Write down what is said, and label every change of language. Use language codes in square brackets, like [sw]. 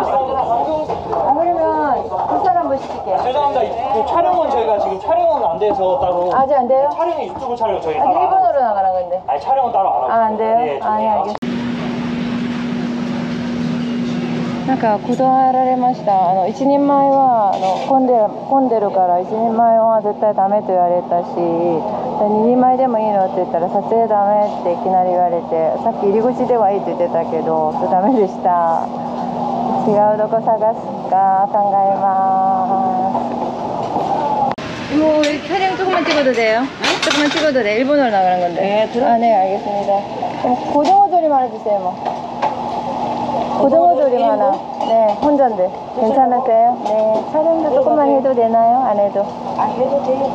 [ko] 아그러면두사람모시킬게 죄송합니다촬영은저희가지금촬영은안돼서따로 아직안돼요 촬영은유튜브촬영저희 가아직일본어로나가라근데 아니촬영은따로안하고 아안돼요네아네알겠습니다 [ja] なんか断られました。一人前は混んでるから一人前は絶対ダメと言われたし、二人前でもいいのって言ったら撮影ダメっていきなり言われて、さっき入り口ではいいって言ってたけどダメでした。違うどこ探すか考えます。今 [ko] 이거 촬영 조금만 찍어도 돼요? 네? 조금만 찍어도 돼. 일본어로 나가는 건데. 네, 들어. 아, 네, 알겠습니다. 그럼 고등어 조리 말해주세요, 뭐. 고등어 조림 하나. 네, 혼자인데. 괜찮을까요? 네, 촬영도 조금만 해도 되나요? 안 해도? 아, 해도 돼요.